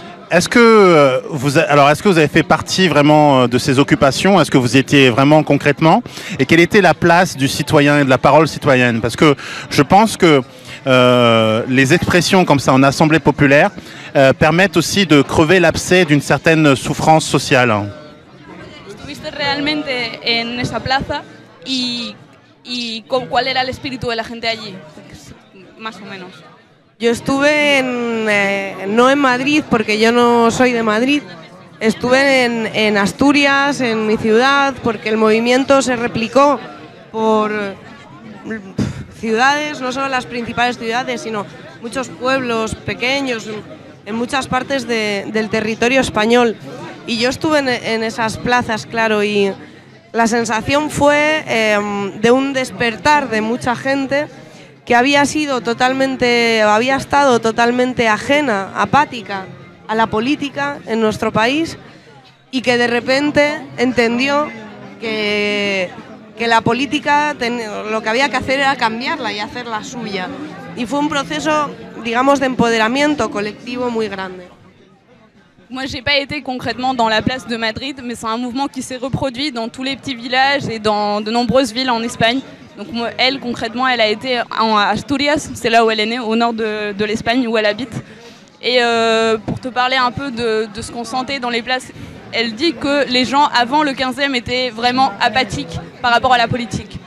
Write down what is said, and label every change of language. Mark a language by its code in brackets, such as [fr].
[fr] Est-ce que vous avez fait partie vraiment de ces occupations? Est-ce que vous étiez vraiment concrètement? Et quelle était la place du citoyen et de la parole citoyenne? Parce que je pense que les expressions comme ça en assemblée populaire permettent aussi de crever l'abcès d'une certaine souffrance sociale. [es] Estuviste realmente en esa plaza y con cuál era el espíritu de la gente allí, más o menos. Yo estuve en, no en Madrid, porque yo no soy de Madrid, estuve en Asturias, en mi ciudad, porque el movimiento se replicó por ciudades, no solo las principales ciudades, sino muchos pueblos pequeños, en muchas partes del territorio español. Y yo estuve en esas plazas, claro, y la sensación fue de un despertar de mucha gente que había estado totalmente ajena, apática a la política en nuestro país y que de repente entendió que la política, lo que había que hacer era cambiarla y hacerla suya. Y fue un proceso, digamos, de empoderamiento colectivo muy grande. [fr] Moi, j'ai pas été concrètement dans la place de Madrid, mais c'est un mouvement qui s'est reproduit dans tous les petits villages et dans de nombreuses villes en Espagne. Donc elle, concrètement, elle a été en Asturias, c'est là où elle est née, au nord de l'Espagne, où elle habite. Et pour te parler un peu de ce qu'on sentait dans les places, elle dit que les gens, avant le 15e, étaient vraiment apathiques par rapport à la politique.